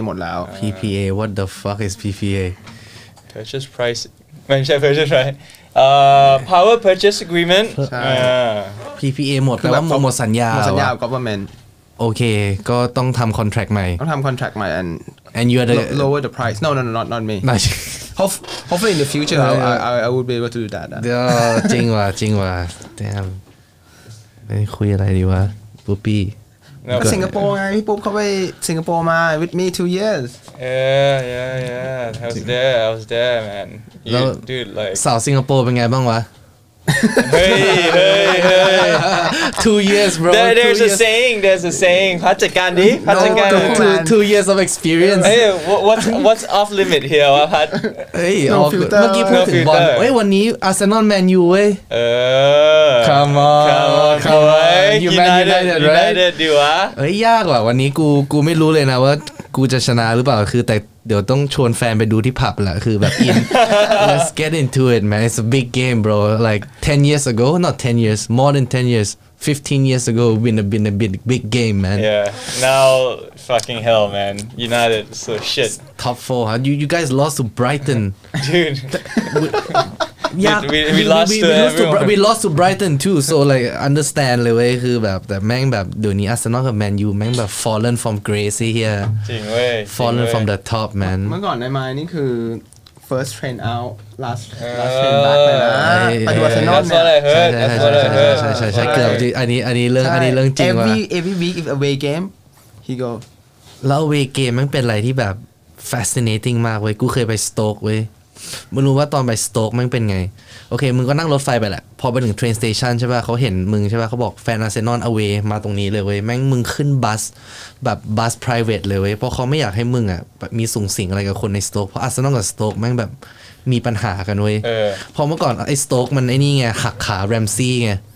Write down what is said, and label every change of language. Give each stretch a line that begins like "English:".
Thai: หมดแล้ว
English: PPA what the fuck is PPA purchase price ไม่ใช่ purchase right power purchase agreement
Thai: PPA หมดแล้วหมดสัญญา หมดสัญญา government โอเคก็ต้องทำ contract ใหม่ ต้องทำ contract ใหม่
English: and you are lower the price no not meHopefully in the future, I would be able to do that.
Thai: จริงว่ะ Damn. คุยอะไรดีวะ ปุ๊บปี้ Singapore ไง พี่ปุ๊บเขาไป Singapore มา
English: with me 2 years. Yeah. I was there, man. You, dude, like...
Thai: สาว Singapore เป็นไงบ้างวะ
English: Hey. 2 years, bro. There's a saying.
Thai: พัฒนาการดี พัฒนาการ
English: 2 years of experience. Hey, what's off limit here? What part? Hey, off limit.
Thai: เมื่อกี้พูดถึงบอล เฮ้ย วันนี้ Arsenal Man U เว้ย
English: Come on. United, right?
Thai: ดีวะ เฮ้ย ยากว่ะ วันนี้กูไม่รู้เลยนะว่ากูจะชนะหรือเปล่าคือแต่เดี๋ยวต้องชวนแฟนไปดูที่ผับแหละคือแบบ
English: let's get into it man it's a big game bro like 10 years ago not 10 years more than 10 years 15 years ago been a big game man yeah now fucking hell man United so shit it's top 4 huh? you guys lost to Brighton dude yeah we lost to Brighton too so like understand
Thai: เลยเว้ยคือแบบแต่แม่งแบบเดี๋ยวนี้
English: Arsenal กับ Man U แม่งแบบ fallen from grace here
Thai: จริงเว้ย
English: fallen from the top man
Thai: เมื่อก่อนในมายนี่คือ
English: first train out last train back
Thai: เลย นะไ ปดู Arsenal เนี่ยอันนี้เรื่องจริงว่ะ
English: every week if away game he go
Thai: แล้ว away game แม่งเป็นอะไรที่แบบ fascinating มากเว้ยกูเคยไป Stoke เว้ยมึงรู้ว่าตอนไปสโตกมันเป็นไงโอเคมึงก็นั่งรถไฟไปแหละพอไปถึงเทรนสเตชันใช่ป่ะเขาเห็นมึงใช่ป่ะเขาบอกแฟนอาร์เซนอลอเวย์มาตรงนี้เลยเว้ยแม่งมึงขึ้นบัสแบบบัส private เลยเว้ยเพราะเขาไม่อยากให้มึงอ่ะมีสุงสิงอะไรกับคนในสโตกเพราะอาร์เซนอลกับสโตกแม่งแบบมีปัญหากันเว้ยพอเมื่อก่อนไอ้สโตกมันไอ้นี่ไงหักขาแรมซี่ไง